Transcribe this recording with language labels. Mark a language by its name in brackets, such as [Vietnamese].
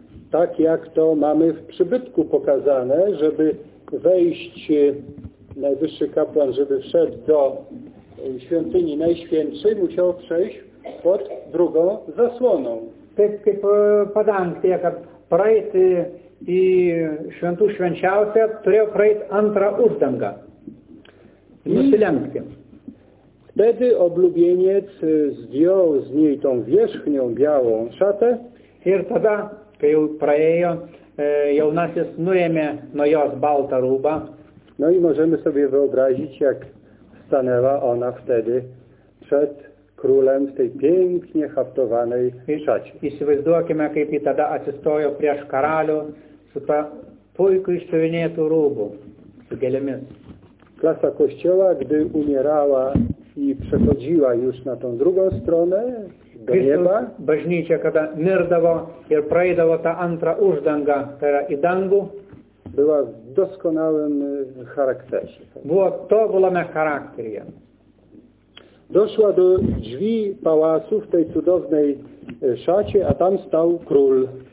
[Polish] Tak jak to mamy w przybytku pokazane, żeby wejść, najwyższy kapłan, żeby wszedł do świątyni najświętszej, musiał przejść pod drugą zasłoną. [Lithuanian] Taip kaip padangtėje, kad praeiti į šventų švenčiausią, turėjo praeiti antrą uždangą. Nusilenkti. [Polish] Wtedy oblubieniec zdjął z niej tą wierzchnią białą szatę. [Lithuanian] Ir tada, kai jau praėjo, jaunasis nuėmė nuo jos baltą rūbą. [Polish] No i możemy sobie wyobrazić, jak stanęła ona wtedy przed królem w tej pięknie haftowanej szacie. [Lithuanian] Įsivaizduokime, kaip ji tada atsistojo prieš karalių su ta puikiu išsiuvinėtu rūbu, su gėlėmis. [Polish] Klasa kościoła, gdy umierała i przechodziła już na tą drugą stronę, do nieba. [Lithuanian] Bažnyčia, kada mirdavo ir praeidavo tą antrą uždangą, tai yra į dangų. [Polish] Była w doskonałym charakterze. [Lithuanian] Buvo tobulame charakterie. [Polish] Doszła do drzwi pałacu w tej cudownej szacie, a tam stał król.